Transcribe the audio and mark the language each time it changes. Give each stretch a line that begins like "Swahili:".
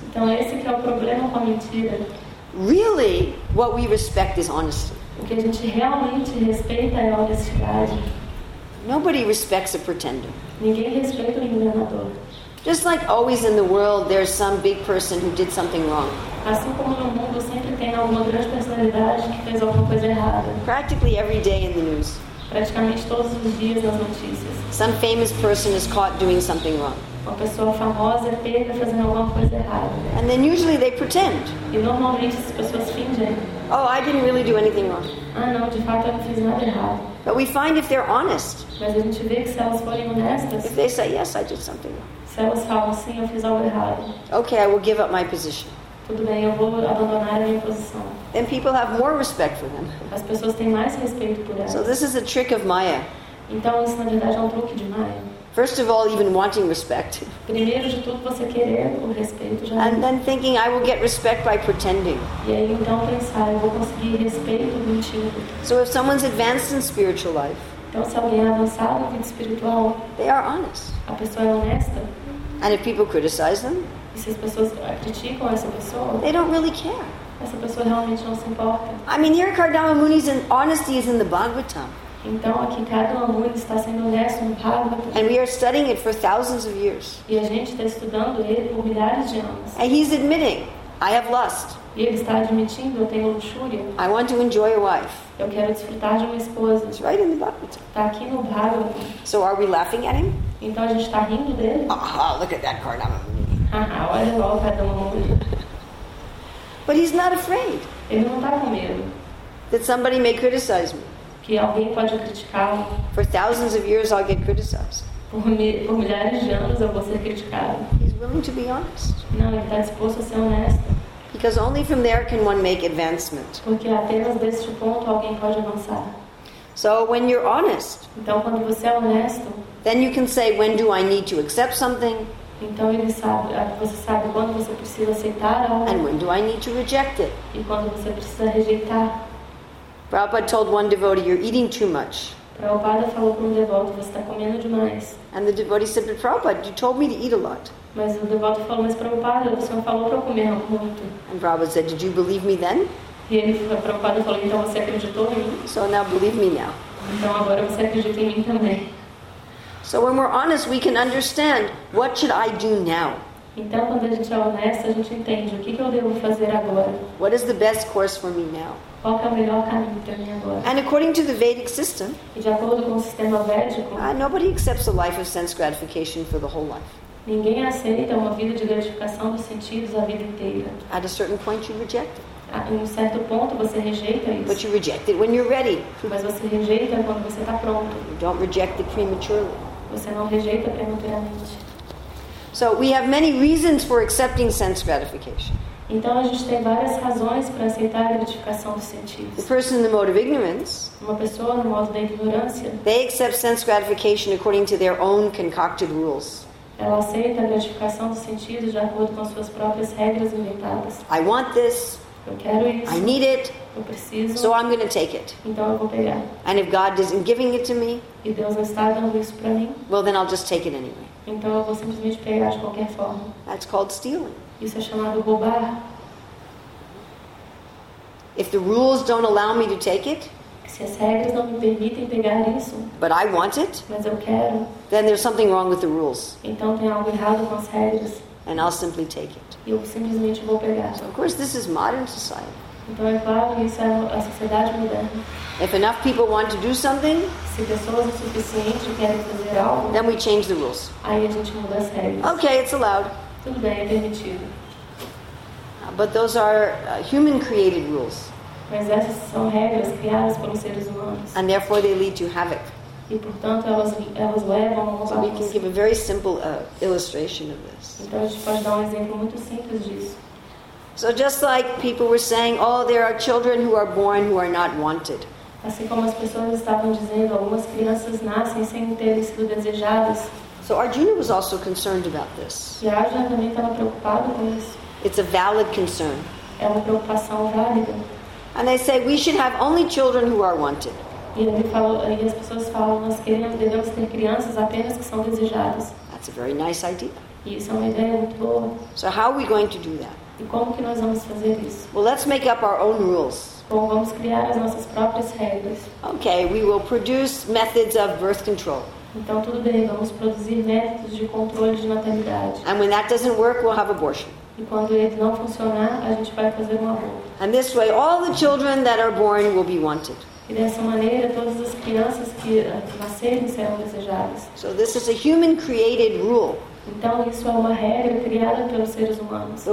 Portuguese: Então esse que é o problema com a mentira.
English: Really, what we respect is honesty.
Portuguese: O que a gente realmente respeita é a honestidade.
English: Nobody respects a pretender.
Portuguese: Ninguém respeita um enganador.
English: Just like always in the world, there's some big person who did something wrong.
Portuguese: Assim como no mundo, sempre tem alguma grande personalidade que fez alguma coisa errada.
English: Practically every day in the news.
Portuguese: Praticamente todos os dias nas notícias.
English: Some famous person is caught doing something wrong.
Portuguese: Uma pessoa famosa é pega fazendo alguma coisa errada.
English: And then usually they pretend.
Portuguese: E normalmente as pessoas fingem.
English: Oh, I didn't really do anything wrong.
Portuguese: Ah, não, de fato eu não fiz nada errado.
English: But we find if they're honest.
Portuguese: Mas a gente vê que se elas forem honestas.
English: If they say, yes, I did something wrong.
Portuguese: Se elas falam, sim, eu fiz algo errado.
English: Okay, I will give up my position.
Portuguese: Tudo bem, eu vou abandonar a minha posição.
English: Then people have more respect for them.
Portuguese: As pessoas têm mais respeito por elas.
English: So this is a trick of Maya.
Portuguese: Então isso na verdade é um truque de Maya.
English: First of all, even wanting respect.
Portuguese: Primeiro de tudo, você querer o respeito já.
English: And then thinking I will get respect by pretending.
Portuguese: E aí então pensar, eu vou conseguir respeito mentindo.
English: So if someone's advanced in spiritual life.
Portuguese: Então se alguém é avançado na vida espiritual.
English: They are honest.
Portuguese: A pessoa é honesta.
English: And if people criticize them,
Portuguese: e se as pessoas criticam essa pessoa,
English: they don't really care.
Portuguese: Essa pessoa realmente não se importa.
English: I mean, here Kardama Muni's honesty is in the Bhagavatam.
Portuguese: Então aqui Kardama Muni está sendo honesto no Bhagavatam.
English: And we are studying it for thousands of years.
Portuguese: E a gente está estudando ele por milhares de anos.
English: And he's admitting, I have lust.
Portuguese: E ele está admitindo, eu tenho luxúria.
English: I want to enjoy a wife.
Portuguese: Eu quero desfrutar de uma esposa.
English: It's right in the Bhagavatam.
Portuguese: Está aqui no Bhagavatam.
English: So are we laughing at him?
Portuguese: Então a gente está rindo dele.
English: Aha, look at that Kardama Muni.
Portuguese: Aha, olha lá o Kardama Muni.
English: But he's not afraid.
Portuguese: Ele não está com medo.
English: That somebody may criticize me.
Portuguese: Que alguém pode criticá-lo.
English: For thousands of years I'll get criticized.
Portuguese: Por milhares de anos eu vou ser criticado.
English: He's willing to be honest.
Portuguese: Não, ele está disposto a ser honesto.
English: Because only from there can one make advancement.
Portuguese: Porque apenas deste ponto alguém pode avançar.
English: So when you're honest.
Portuguese: Então quando você é honesto.
English: Then you can say, when do I need to accept something?
Portuguese: Então ele sabe, você sabe quando você precisa aceitar algo.
English: And when do I need to reject it?
Portuguese: E quando você precisa rejeitar.
English: Prabhupada told one devotee, you're eating too much.
Portuguese: Prabhupada falou para devoto, você está comendo demais.
English: And the devotee said, but Prabhupada, you told me to eat a lot.
Portuguese: Mas o devoto falou, mas Prabhupada, o senhor falou para comer muito.
English: And Prabhupada said, did you believe me then?
Portuguese: E ele Prabhupada falou, então você acreditou em mim?
English: So now believe me now.
Portuguese: Então agora você acredita em mim também.
English: So when we're honest, we can understand what should I do now.
Portuguese: Então quando a gente é honesto, a gente entende o que eu devo fazer agora.
English: What is the best course for me now?
Portuguese: Qual é o melhor caminho para mim agora?
English: And according to the Vedic system,
Portuguese: e de acordo com o sistema védico,
English: nobody accepts a life of sense gratification for the whole life.
Portuguese: Ninguém aceita uma vida de gratificação dos sentidos a vida inteira.
English: At a certain point, you reject it.
Portuguese: Em um certo ponto você rejeita isso.
English: But you reject it when you're ready.
Portuguese: Mas você rejeita quando você está pronto.
English: You don't reject it prematurely.
Portuguese: Você não rejeita prematuramente.
English: So we have many reasons for accepting sense gratification.
Portuguese: Então a gente tem várias razões para aceitar a gratificação dos sentidos.
English: The person in the mode of ignorance.
Portuguese: Uma pessoa no modo da ignorância.
English: They accept sense gratification according to their own concocted rules.
Portuguese: Ela aceita a gratificação dos sentidos de acordo com suas próprias regras inventadas.
English: I want this.
Portuguese: Eu quero isso.
English: I need it.
Portuguese: Eu preciso.
English: So I'm going to take it.
Portuguese: Então eu vou pegar.
English: And if God isn't giving it to me,
Portuguese: e Deus não está dando isso para mim,
English: well, then I'll just take it anyway.
Portuguese: Então eu vou simplesmente pegar de qualquer forma.
English: That's called stealing.
Portuguese: Isso é chamado roubar.
English: If the rules don't allow me to take it,
Portuguese: se as regras não me permitem pegar isso,
English: but I want it,
Portuguese: mas eu quero,
English: then there's something wrong with the rules.
Portuguese: Então tem algo errado com as regras.
English: And I'll simply take it.
Portuguese: Eu simplesmente vou pegar.
English: So of course, this is modern society.
Portuguese: Então é claro, isso é a sociedade moderna.
English: If enough people want to do something,
Portuguese: se pessoas o suficiente querem fazer algo,
English: then we change the rules.
Portuguese: Aí a gente muda as regras.
English: Okay, it's allowed.
Portuguese: Tudo bem, é permitido.
English: But those are human-created rules.
Portuguese: Mas essas são regras criadas pelos seres humanos.
English: And therefore they lead to havoc.
Portuguese: E portanto elas levam ao caos.
English: We can give a very simple illustration of this.
Portuguese: Então a gente pode dar um exemplo muito simples disso.
English: So just like people were saying, oh, there are children who are born who are not wanted.
Portuguese: Assim como as pessoas estavam dizendo, algumas crianças nascem sem terem sido desejadas.
English: So Arjuna was also concerned about this.
Portuguese: E Arjuna também estava preocupado com isso.
English: It's a valid concern.
Portuguese: É uma preocupação válida.
English: And they say we should have only children who are wanted.
Portuguese: E as pessoas falam, nós queremos, devemos ter crianças apenas que são desejadas.
English: That's a very nice idea.
Portuguese: E isso é uma ideia muito boa.
English: So how are we going to do that?
Portuguese: E como que nós vamos fazer isso?
English: Well, let's make up our own rules.
Portuguese: Bom, vamos criar as nossas próprias regras.
English: Okay, we will produce methods of birth control.
Portuguese: Então tudo bem, vamos produzir métodos de controle de natalidade.
English: And when that doesn't work, we'll have abortion.
Portuguese: E quando ele não funcionar, a gente vai fazer um aborto.
English: And this way, all the children that are born will be wanted.
Portuguese: E dessa maneira, todas as crianças que nascerem serão desejadas.
English: So this is a human-created rule.
Portuguese: Então isso é uma regra criada pelos seres humanos.